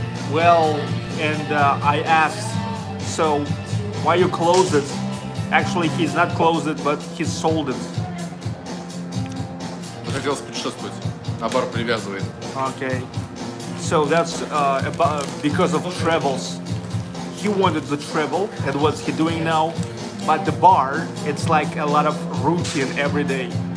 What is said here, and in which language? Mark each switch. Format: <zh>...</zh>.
<en>Well, and I asked, so why you closed it? Actually, he's not closed it, but he sold it.</en> <ru>Хотелось путешествовать, а бар привязывает.</ru> <en>Okay. So that's because of travels. He wanted to travel, and what's he doing now? But the bar, it's like a lot of routine every day.</en>